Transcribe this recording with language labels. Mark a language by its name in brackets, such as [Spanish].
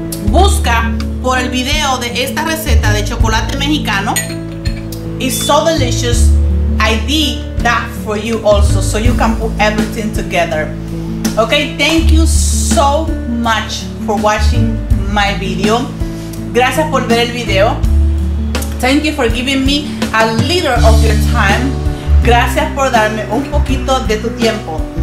[Spanish] Busca por el video de esta receta de chocolate mexicano. [English] It's so delicious. I did that for you also, so you can put everything together. Okay, thank you so much for watching my video. [Spanish] Gracias por ver el video. [English] Thank you for giving me a little of your time. [Spanish] Gracias por darme un poquito de tu tiempo.